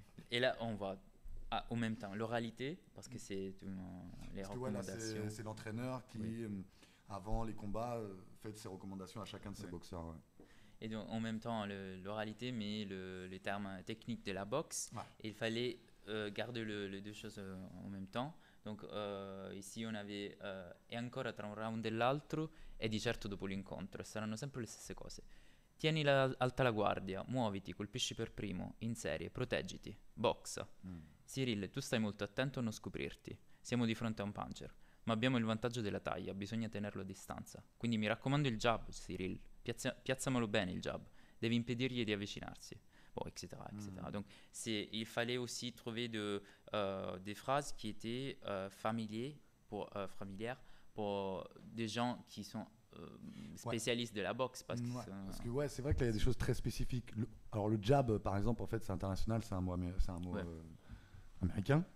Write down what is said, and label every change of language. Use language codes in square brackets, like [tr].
[fr] Et là, on voit au même temps l'oralité, parce que c'est tout mon, les parce recommandations. Que voilà, c'est l'entraîneur qui, avant les combats, fait ses recommandations à chacun de ses boxeurs. Ouais. Et donc, en même temps, l'oralité, mais le terme technique de la boxe. Ouais. Il fallait garder les deux choses en même temps. Donc ici on avait [it] e ancora tra un round e l'altro e di certo dopo l'incontro saranno sempre le stesse cose. Tieni alta la guardia, muoviti, colpisci per primo, in serie, proteggiti, boxa. Cyril, tu stai molto attento a non scoprirti. Siamo di fronte a un puncher, ma abbiamo il vantaggio della taglia, bisogna tenerlo a distanza. Quindi mi raccomando il jab, Cyril. Piazzamelo bene il jab. Devi impedirgli di avvicinarsi. [fr] Bon, etc. etc. Donc, il fallait aussi trouver des phrases qui étaient familières pour des gens qui sont spécialistes de la boxe. Parce que, C'est vrai qu'il y a des choses très spécifiques. Alors, le jab, par exemple, en fait, c'est international, c'est un mot américain.